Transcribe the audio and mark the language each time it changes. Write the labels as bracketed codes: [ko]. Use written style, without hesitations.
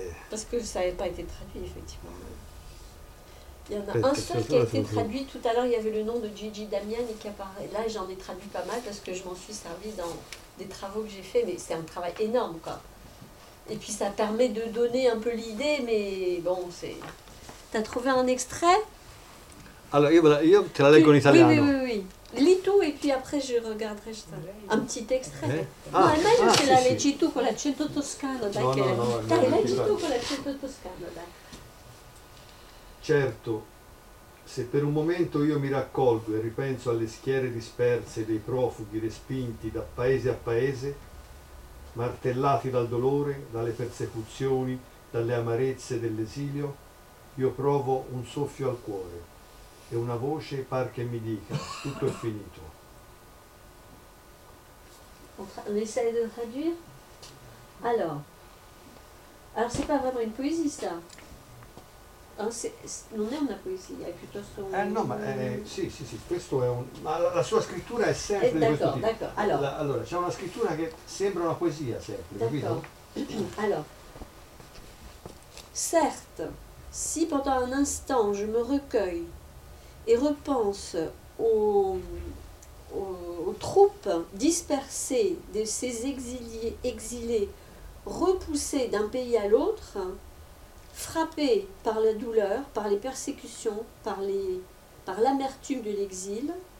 [fr] Parce que ça n'avait pas été traduit, effectivement. Il y en a un seul qui a été traduit. Tout à l'heure, il y avait le nom de Gigi Damiani qui apparaît. Là, j'en ai traduit pas mal parce que je m'en suis servi dans des travaux que j'ai faits. Mais c'est un travail énorme, quoi. Et puis, ça permet de donner un peu l'idée, mais bon, c'est... T'as trouvé un extrait ? [it] Alors, io te la leggo in italiano. [fr] Oui. Lis tout et puis après je regarderai un petit extrait. [it] Ah, non, immagino se la leggi tu con l'accento toscano. Dai, leggi tu con l'accento toscano, dai. Certo, se per un momento io mi raccolgo e ripenso alle schiere disperse dei profughi respinti da paese a paese, martellati dal dolore, dalle persecuzioni, dalle amarezze dell'esilio, io provo un soffio al cuore e una voce par che mi dica: tutto è finito. [fr] On essaie de traduire? Alors, c'est pas vraiment une poésie, ça? [it] Non è una poesia, è piuttosto un... Sì, questo è un... Ma la sua scrittura è sempre d'accordo, di questo tipo. D'accordo, allora. Allora, c'è una scrittura che sembra una poesia sempre, d'accordo. Capito? Allora, certo, [fr] si pendant un instant je me recueille et repense aux troupes dispersées de ces exilés repoussés d'un pays à l'autre, frappés par la douleur, par les persécutions, par l'amertume de l'exil,